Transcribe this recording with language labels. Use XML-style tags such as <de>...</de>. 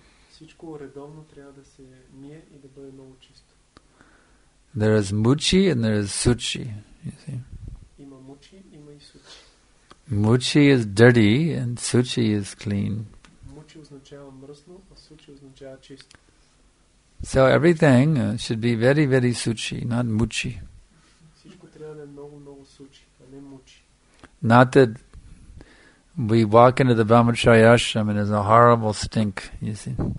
<bg>Всичко редовно трябва да се мие и да бъде много чисто.</bg> <en>There is muchi and there is suchi, you see.</en> <bg>Има мучи, има и сучи.</bg> <en>Muchi is dirty and suchi is clean.</en> <bg>Мучи означава мръсно, а сучи означава чисто.</bg> <en>So everything should be very, very suchi, not muchi.</en> <bg>Всичко трябва да е много, много суchi, а не мучи.</bg> <en>Not that we walk into the Brahmachari Ashram and there's a horrible stink, you see.</en>